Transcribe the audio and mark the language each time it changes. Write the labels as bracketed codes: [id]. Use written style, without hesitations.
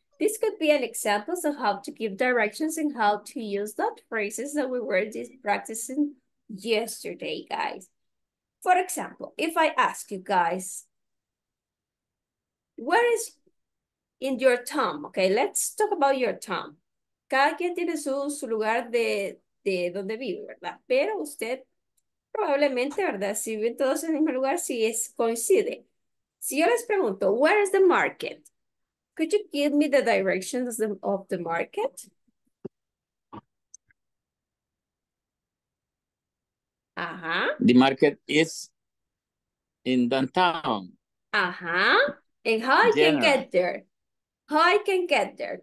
[en] This could be an example of how to give directions and how to use that phrases that we were just practicing yesterday, guys. For example, if I ask you guys, where is in your town? Okay, let's talk about your town. [es] Cada quien tiene su lugar de donde vive, ¿verdad? Pero usted probablemente, ¿verdad? Si viven todos en el mismo lugar, si es coincide. Si yo les pregunto, [en] where is the market? Could you give me the directions of the market? Uh-huh. The market is in downtown. Uh-huh. And how I can get there? How I can get there?